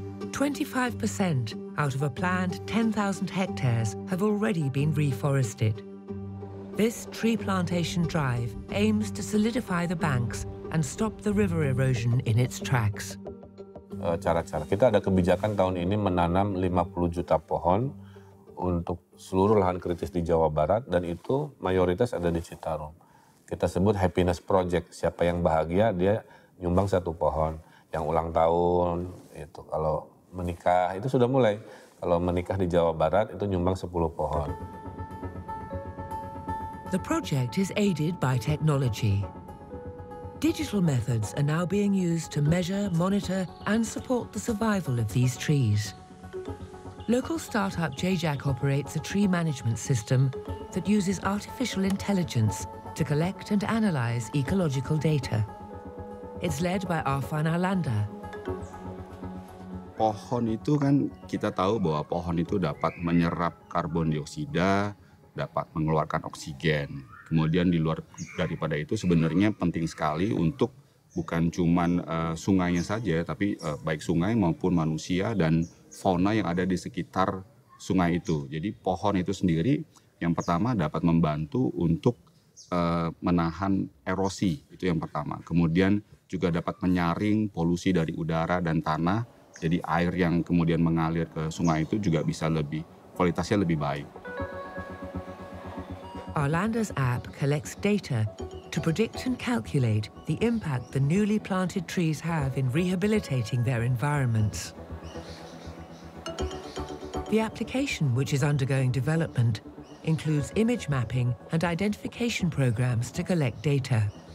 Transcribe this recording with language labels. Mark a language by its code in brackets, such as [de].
[en] 25% out of a planned 10,000 hectares have already been reforested. This tree plantation drive aims to solidify the banks and stop the river erosion in its tracks. [id] Cara-cara. Kita ada kebijakan tahun ini menanam 50 juta pohon untuk seluruh lahan kritis di Jawa Barat, dan itu mayoritas ada di Citarum. Kita sebut happiness project. Siapa yang bahagia, dia nyumbang satu pohon. Yang ulang tahun, itu kalau menikah, itu sudah mulai. Kalau menikah di Jawa Barat, itu nyumbang 10 pohon. [en] The project is aided by technology. Digital methods are now being used to measure, monitor, and support the survival of these trees. Local startup JJAC operates a tree management system that uses artificial intelligence to collect and analyze ecological data. It's led by Arfan Alanda. [id] Pohon itu kan kita tahu bahwa pohon itu dapat menyerap karbon dioksida, dapat mengeluarkan oksigen. Kemudian di luar daripada itu sebenarnya penting sekali untuk bukan cuman sungainya saja, tapi baik sungai maupun manusia dan fauna yang ada di sekitar sungai itu. Jadi pohon itu sendiri yang pertama dapat membantu untuk menahan erosi, itu yang pertama. Kemudian juga dapat menyaring polusi dari udara dan tanah, jadi air yang kemudian mengalir ke sungai itu juga bisa lebih, kualitasnya lebih baik. [en] Arlanda's app collects data to predict and calculate the impact the newly planted trees have in rehabilitating their environments. The application, which is undergoing development, includes image mapping and identification programs to collect data.